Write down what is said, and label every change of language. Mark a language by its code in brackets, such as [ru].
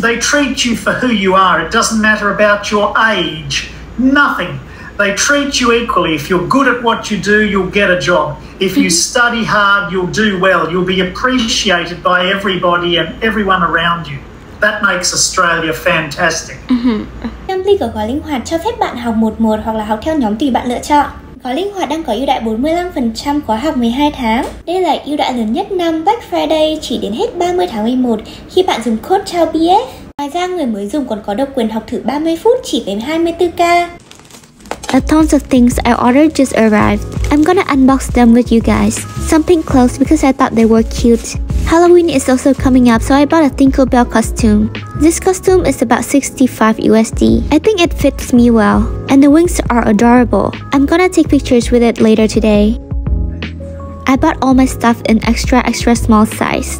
[en] They treat you for who you are. It doesn't matter about your age. Nothing. They treat you equally. If you're good at what you do, you'll get a job. If you study hard, you'll do well. You'll be appreciated by everybody and everyone around you. That makes Australia fantastic. [vi] Cambly của gói linh hoạt cho phép bạn học một mùa hoặc là học theo nhóm tùy bạn lựa chọn. Gói linh hoạt đang có ưu đãi 45% khóa học 12 tháng. Đây là ưu đãi lớn nhất năm Black Friday chỉ đến hết 30 tháng 11 khi bạn dùng code chaobf. Ngoài ra, người mới dùng còn có độc quyền học thử 30 phút chỉ với 24k. [en] A tons of things I ordered just arrived. I'm gonna unbox them with you guys. Some pink clothes because I thought they were cute. Halloween is also coming up, so I bought a Tinkerbell costume. This costume is about $65. I think it fits me well. And the wings are adorable. I'm gonna take pictures with it later today. I bought all my stuff in extra extra small size.